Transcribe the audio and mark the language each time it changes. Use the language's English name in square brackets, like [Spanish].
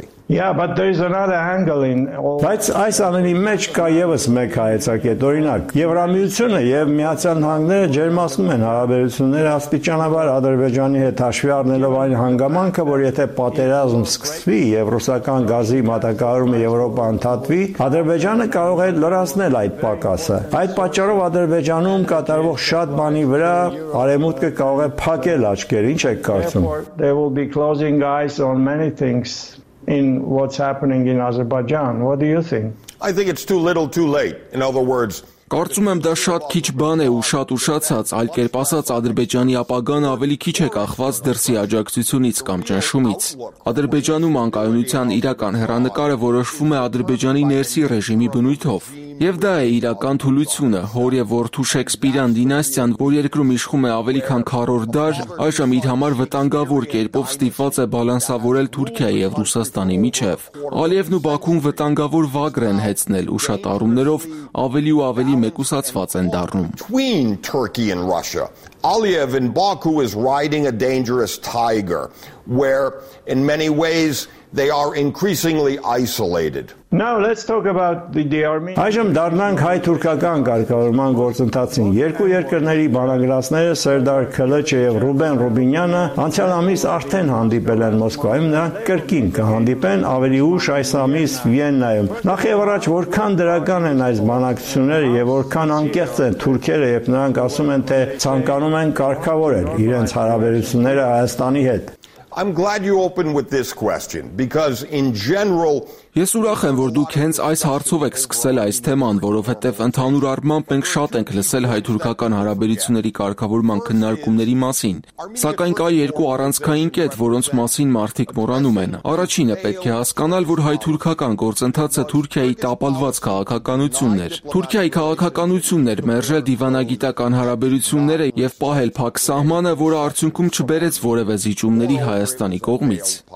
[English] Yeah, but there is another angle in all. [Armenian] Բայց այս ամենի մեջ կա եւս մեկ հայեցակետ, օրինակ, Եվրամիությունը եւ Միացյալ Նահանգները ջերմացնում են հարաբերությունները աստիճանաբար Ադրբեջանի հետ, հաշվի առնելով այն հանգամանքը, որ եթե պատերազմ սկսվի եւ ռուսական գազի մատակարարումը Եվրոպա ընդհատվի, Ադրբեջանը կարող է լրացնել այդ պակասը։ Այդ պատճառով Ադրբեջանում կատարվող շատ բանի վրա արեմուտքը կարող է փակել աչքերը, ինչ եք կարծում։ [English] They will be closing eyes on many things. In what's happening in Azerbaijan, what do you think? I think it's too little, too late. In other words, [Armenian] կարծում եմ դա շատ քիչ բան է ու շատ ուշացած, այլ կերպ ասած Ադրբեջանի ապագան ավելի քիչ է կախված դրսի աջակցությունից կամ ճնշումից։ Ադրբեջանում անկայունության իրական հեռանկարը որոշվում է Ադրբեջանի ներսի ռեժիմի բնույթով։ Եվ դա է իրական թուլությունը, հոր եւ որդու Շեքսպիրյան դինաստիան, որ երկրում իշխում է ավելի քան 40 դար, այժմ իր համար վտանգավոր կերպով ստիպված է բալանսավորել Թուրքիայի եւ Ռուսաստանի միջև։ Ալիևն ու Բաքուն վտանգավոր վագր են հեցնել ու շատ առումներով ավելի ու ավելի մեկուսացված են դառնում։ [English] Queen Turkey and Russia. Aliyev in Baku is riding a dangerous tiger where in many ways they are increasingly isolated. Now let's talk about the Armenian. [Armenian] Այժմ դառնանք հայ-թուրքական կարգավորման գործընթացին։ Երկու երկրների բանակցությունները Սերդար Քլեչը եւ Ռուբեն Ռուբինյանը անցյալ ամիս արդեն հանդիպել են Մոսկվայում, նրանք կրկին կհանդիպեն ավելի ուշ այս ամիս Վիեննայում։ Նախ եւ առաջ որքան դրական են այս բանակցությունները եւ որքան անկեղծ են թուրքերը, եթե նրանք ասում են, թե ցանկանում են կարգավորել իրենց հարաբերությունները Հայաստանի հետ։ [English] I'm glad you opened with this question because in general [Armenian] Ես ուրախ եմ, որ դուք հենց այս հարցով եք սկսել այս թեման, որովհետև ընդհանուր առմամբ մենք շատ ենք լսել հայ-թուրքական հարաբերությունների կարգավորման քննարկումների մասին։ Սակայն կա երկու առանցքային կետ, որոնց մասին մարդիկ մոռանում են։ Առաջինը պետք է հասկանալ, որ հայ-թուրքական գործընթացը Թուրքիայի տապալված քաղաքականությունն էր։ Թուրքիայի քաղաքականությունն էր մերժել դիվանագիտական հարաբերությունները եւ պահել փակ սահմանը, որը արդյունքում չբերեց որևէ զիջումների Հայաստանի կողմից։